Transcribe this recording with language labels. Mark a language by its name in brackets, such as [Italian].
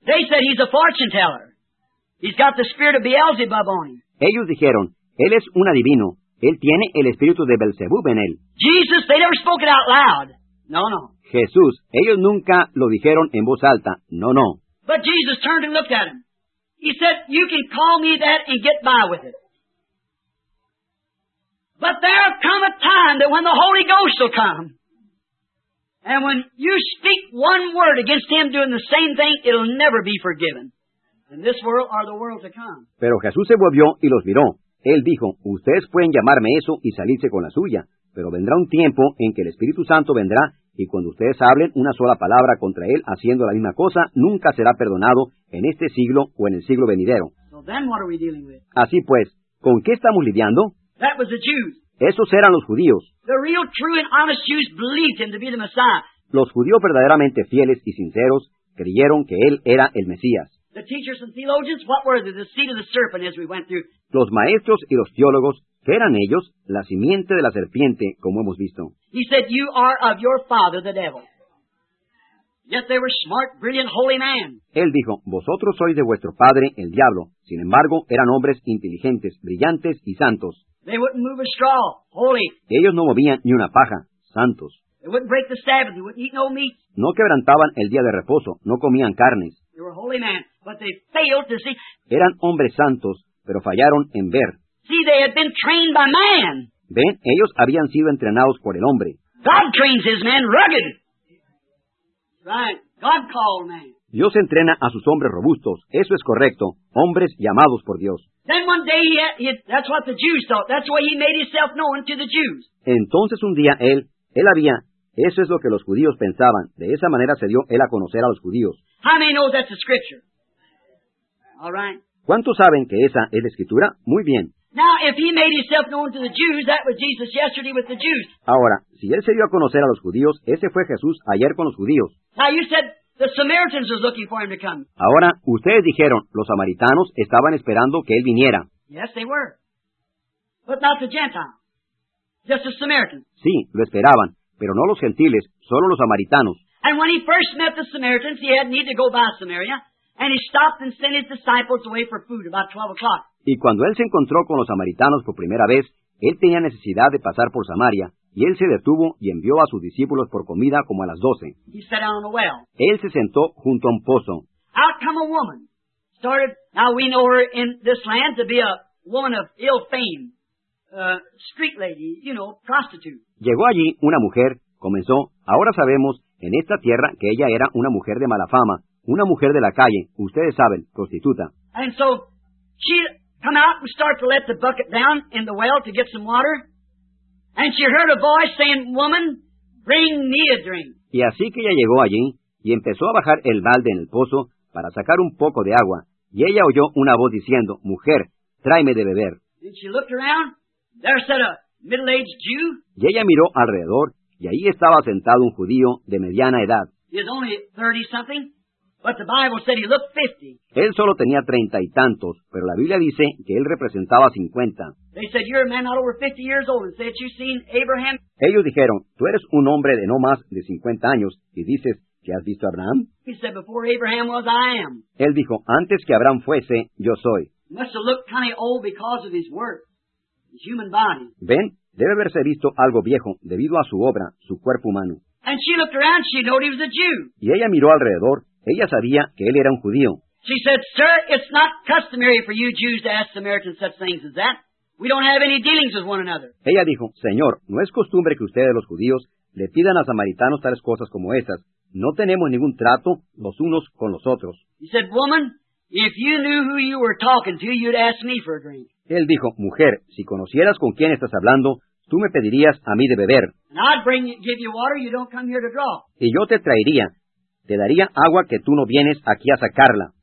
[English] They said he's a fortune teller. He's got the spirit of Beelzebub on him. [Spanish] Ellos dijeron, él es un adivino. Él tiene el espíritu de Belzebub en él. [English] Jesus, they never spoke it out loud. No, no. [Spanish] Jesús, ellos nunca lo dijeron en voz alta. No, no. [English] But Jesus turned and looked at him. He said, you can call me that and get by with it. But there come a time that when the Holy Ghost will come, and when you speak one word against him doing the same thing, it'll never be forgiven. In this world or the world to come. [Spanish] Pero Jesús se volvió y los miró. Él dijo, ustedes pueden llamarme eso y salirse con la suya, pero vendrá un tiempo en que el Espíritu Santo vendrá y cuando ustedes hablen una sola palabra contra él haciendo la misma cosa, nunca será perdonado en este siglo o en el siglo venidero. [English] So then what are we dealing with? [Spanish] Así pues, ¿con qué estamos lidiando? [English] That was the Jews. [Spanish] Esos eran los judíos. [English] The real, true and honest Jews believed him to be the Messiah. [Spanish] Los judíos verdaderamente fieles y sinceros creyeron que él era el Mesías. [English] The teachers and theologians, what were they? The seed of the serpent as we went through. [Spanish] Los maestros y los teólogos, ¿qué eran ellos? La simiente de la serpiente, como hemos visto. [English] He said, you are of your father, the devil. Yet they were smart, brilliant, holy men. [Spanish] Él dijo, vosotros sois de vuestro padre, el diablo. Sin embargo, eran hombres inteligentes, brillantes y santos. [English] They wouldn't move a straw, holy. [Spanish] Ellos no movían ni una paja, santos. [English] They wouldn't break the Sabbath, they wouldn't eat no meat. [Spanish] No quebrantaban el día de reposo, no comían carnes. [English] They were holy men, but they failed to see. [Spanish] Eran hombres santos, pero fallaron en ver. [English] See, they had been trained by man. [Spanish] Ven, ellos habían sido entrenados por el hombre. [English] God trains his men rugged. Right, God called man. [Spanish] Dios entrena a sus hombres robustos. Eso es correcto. Hombres llamados por Dios. [English] Then one day that's what the Jews thought. That's why he made himself known to the Jews. [Spanish] Entonces un día él había, eso es lo que los judíos pensaban. De esa manera se dio él a conocer a los judíos. [English] How many know that's the scripture? All right. [Spanish] ¿Cuántos saben que esa es la escritura? Muy bien. [English] Now, if he made himself known to the Jews, that was Jesus yesterday with the Jews. [Spanish] Ahora, si él se dio a conocer a los judíos, ese fue Jesús ayer con los judíos. [English] Now, you said the Samaritans were looking for him to come. [Spanish] Ahora, ustedes dijeron, los samaritanos estaban esperando que él viniera. [English] Yes, they were. But not the Gentiles. Just the Samaritans. [Spanish] Sí, lo esperaban, pero no los gentiles, solo los samaritanos. [English] And when he first met the Samaritans, he had need to go by Samaria. And he stopped and sent his disciples away for food about 12 o'clock. [Spanish] Y cuando él se encontró con los samaritanos por primera vez, él tenía necesidad de pasar por Samaria, y él se detuvo y envió a sus discípulos por comida como a las 12. [English] He sat down on a well. [Spanish] Él se sentó junto a un pozo. [English] Out come a woman. Started, now we know her in this land to be a woman of ill fame. Street lady, you know, prostitute. [Spanish] Llegó allí una mujer, comenzó, ahora sabemos en esta tierra que ella era una mujer de mala fama. Una mujer de la calle, ustedes saben, prostituta. [English] And so, she come out and start to let the bucket down in the well to get some water. And she heard a voice saying, woman, bring me a drink. [Spanish] Y así que ella llegó allí, y empezó a bajar el balde en el pozo para sacar un poco de agua. Y ella oyó una voz diciendo, mujer, tráeme de beber. [English] And she looked around, there sat a middle-aged Jew. [Spanish] Y ella miró alrededor, y ahí estaba sentado un judío de mediana edad. [English] He was only 30-something, but the Bible said he looked 50. [Spanish] Él solo tenía 30 y tantos, pero la Biblia dice que él representaba 50. [English] They said, you're a man not over 50 years old, and said, you've seen Abraham. [Spanish] Ellos dijeron, tú eres un hombre de no más de 50 años, y dices, ¿ya has visto a Abraham? [English] He said, before Abraham was, I am. [Spanish] Él dijo, antes que Abraham fuese, yo soy. [English] He must have looked kind of old because of his work, his human body. [Spanish] Ven, debe haberse visto algo viejo debido a su obra, su cuerpo humano. [English] And she looked around, she knew he was a Jew. [Spanish] Y ella miró alrededor, ella sabía que él era un judío. [English] She said, sir, it's not customary for you Jews to ask Samaritans such things as that. We don't have any dealings with one another. [Spanish] Ella dijo, señor, no es costumbre que ustedes los judíos le pidan a samaritanos tales cosas como esas. No tenemos ningún trato los unos con los otros. [English] He said, woman, if you knew who you were talking to, you'd ask me for a drink. [Spanish] Él dijo, mujer, si conocieras con quién estás hablando, tú me pedirías a mí de beber. [English] And I'd bring you, give you water, you don't come here to draw. [Spanish] Y yo te traería, te daría agua que tú no vienes aquí a sacarla.